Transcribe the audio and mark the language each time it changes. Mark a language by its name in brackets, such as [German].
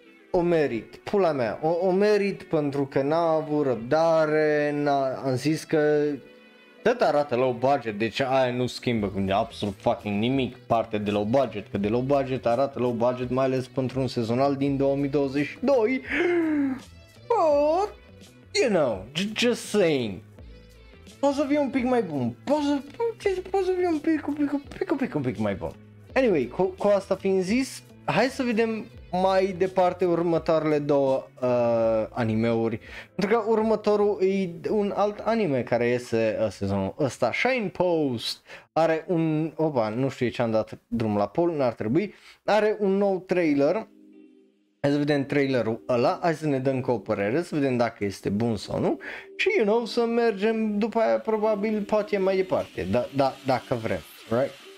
[Romanian] O merit, pula mea, o merit pentru că n-a avut răbdare, am zis că tot arată low budget, deci aia nu schimbă cu absolut fucking nimic parte de low budget, că de low budget arată low budget, mai ales pentru un sezonal din 2022. [English] But, you know, just saying. [Romanian] Poate să fie un pic mai bun, poate să fie un pic mai bun. Anyway, cu asta fiind zis, hai să vedem mai departe următoarele două animeuri, pentru că următorul e un alt anime care iese sezonul ăsta, Shine Post, are un, opa, nu știu ce am dat drum la pol, n-ar trebui, are un nou trailer, hai să vedem trailerul ăla, hai să ne dăm cu o părere, să vedem dacă este bun sau nu, și, [English] you know, [Romanian] să mergem după aia, probabil, poate mai departe, dacă vrem, right?